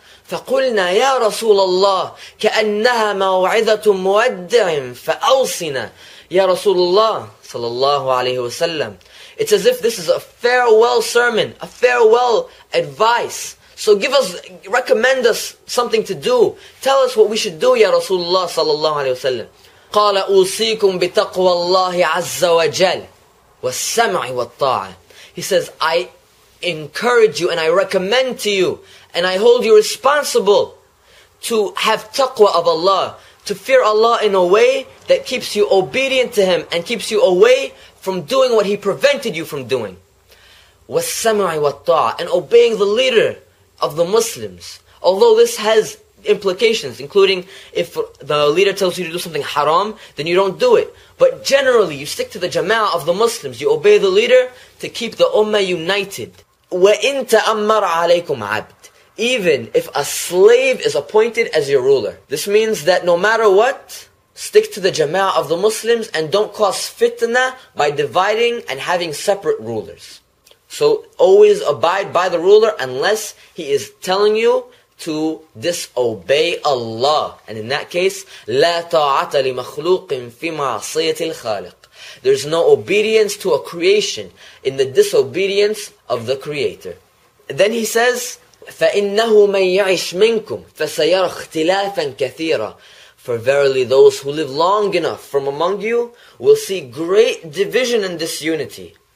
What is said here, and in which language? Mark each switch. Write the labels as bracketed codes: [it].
[ar] فَقُلْنَا يَا رَسُولَ اللَّهِ كَأَنَّهَا مَوْعِذَةٌ مُوَدِّعٍ فَأَوْصِنَا يَا رَسُولُ اللَّهِ صلى الله عليه وسلم. [en] It's as if this is a farewell sermon, a farewell advice. So give us, recommend us something to do. Tell us what we should do, [ar] يَا رَسُولُ اللَّهِ صلى الله عليه وسلم. قَالَ أُوصِيكُمْ بِتَقْوَى اللَّهِ عَزَّ وَجَلِ وَالسَّمْعِ وَالطَّاعَةِ [en] He says, I encourage you and I recommend to you and I hold you responsible to have taqwa of Allah, to fear Allah in a way that keeps you obedient to Him and keeps you away from doing what He prevented you from doing. [ar] وَالسَّمْعِ وَالطَّاعَةِ [en] And obeying the leader of the Muslims. Although this has implications, including if the leader tells you to do something haram, then you don't do it. But generally, you stick to the jama'ah of the Muslims. You obey the leader to keep the ummah united. [ar] وَإِن تَأَمَّرْ عَلَيْكُمْ عَبْدٍ [en] Even if a slave is appointed as your ruler. This means that no matter what, stick to the jama'ah of the Muslims and don't cause fitna by dividing and having separate rulers. So always abide by the ruler unless he is telling you to disobey Allah. And in that case, [ar] لا طاعة لمخلوق في معصية الخالق. [en] There's no obedience to a creation in the disobedience of the Creator. Then he says, [ar] فَإِنَّهُ مَنْ يَعِشْ مِنْكُمْ فَسَيَرَ اخْتِلَافًا كَثِيرًا [en] For verily those who live long enough from among you will see great division and disunity.